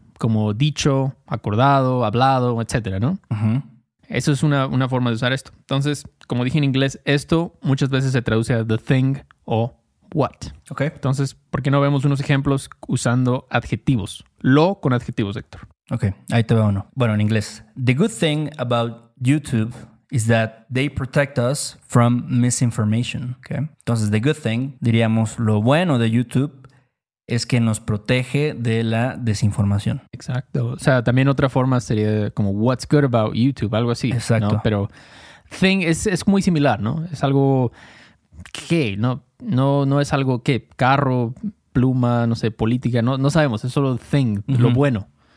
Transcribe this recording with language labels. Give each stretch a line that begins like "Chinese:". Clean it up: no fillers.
Spanish: Como dicho, acordado, hablado, etcétera, ¿no? Uh-huh. Eso es una forma de usar esto. Entonces, como dije en inglés, esto muchas veces se traduce a
English: the thing
Spanish: o what. Ok. Entonces, ¿por qué no vemos unos ejemplos usando adjetivos? Lo con adjetivos, Héctor. Ok, ahí te veo uno. Bueno, en inglés.
English: The good thing about YouTube is that they protect us from misinformation. Ok.
Spanish: Entonces,
English: the good thing,
Spanish: diríamos lo bueno de YouTube, es que nos protege de la desinformación. Exacto. O sea, también otra forma sería como
English: what's good about YouTube,
Spanish: algo así. Exacto. ¿No? Pero thing es muy similar, ¿no? Es algo que, ¿no? No, no es algo que, carro, pluma, no sé, política, no sabemos. Es solo thing, uh-huh. lo bueno.